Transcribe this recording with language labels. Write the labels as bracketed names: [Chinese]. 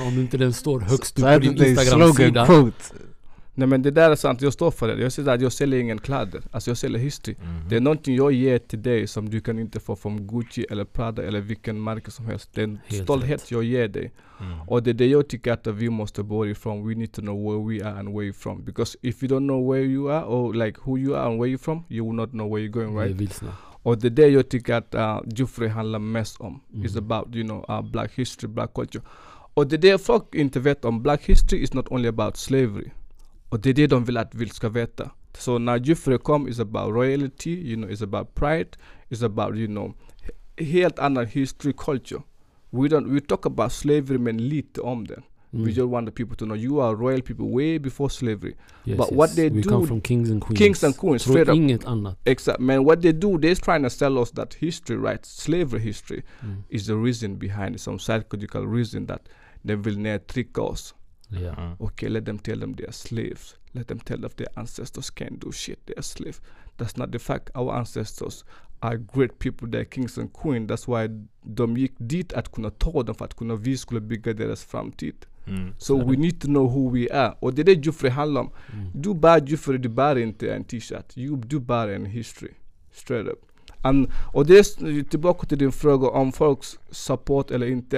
[Swedish] Om inte den står högst upp på din Instagram-sida. [English] Quote. [Swedish] Nej, men det där är sant. Jag står för det. Jag säger att jag säljer ingen kläder. Alltså jag säljer history. Mm-hmm. Det är någonting jag ger till dig som du kan inte få från Gucci eller Prada eller vilken märke som helst. Det är en helt stolthet rätt. Jag ger dig. Mm. Och det är det jag tycker att vi måste börja ifrån. [English] We need to know where we are and where you're from. Because if you don't know where you are or like who you are and where you're from, you will not know where you're going, right? [Swedish] Och det är det jag tycker att Jufure handlar mest om. Mm. [English] It's about, you know, black history, black culture. [Swedish] Och det är det folk inte vet om. [English] Black history is not only about slavery. [Swedish] Och det är det de vill att vi ska veta. Så när Jufure kom, [English] it's about royalty, you know, it's about pride, it's about, you know, [Swedish] helt annan [English] history, culture. We talk about slavery, [Swedish] men lite om det. [English] Mm. We just want the people to know you are royal people way before slavery. Yes, but yes. What they do, come from kings and queens. Kings and queens, straight up. [Swedish] Inget annat. [English] Exactly. Man, what they do, they're trying to sell us that history, right? Slavery history is the reason behind it. Some psychological reason that they will never trick us. Yeah. Okay, let them tell them they are slaves. Let them tell them their ancestors can't do shit. They are slaves. That's not the fact. Our ancestors are great people. They are kings and queens. That's why [Swedish] de gick dit att kunna ta dem för att kunna vi skulle bygga deras framtid. Mm. [English] So mm. we need to know who we are. [Swedish] Och det är det Jufure handlar om. Du bär Jufure, du bär inte en t-shirt. Du bär en history. Straight up. And, och det är tillbaka till din fråga om folks support eller inte.